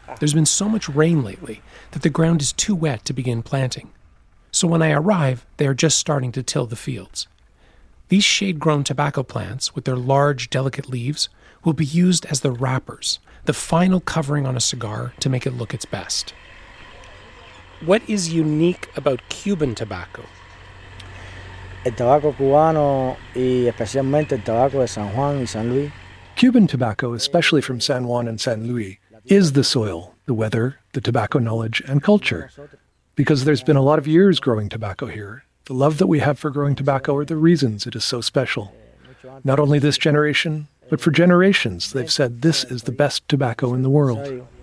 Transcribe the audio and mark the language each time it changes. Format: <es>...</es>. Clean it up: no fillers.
<en>There's been so much rain lately that the ground is too wet to begin planting. So when I arrive, they are just starting to till the fields. These shade-grown tobacco plants, with their large, delicate leaves, will be used as the wrappers, the final covering on a cigar to make it look its best. What is unique about Cuban tobacco?</en> <es>El tabaco cubano y especialmente el tabaco de San Juan y San Luis.</es> <en>Cuban tobacco, especially from San Juan and San Luis, is the soil, the weather, the tobacco knowledge, and culture. Because there's been a lot of years growing tobacco here, the love that we have for growing tobacco are the reasons it is so special. Not only this generation, but for generations, they've said this is the best tobacco in the world.</en>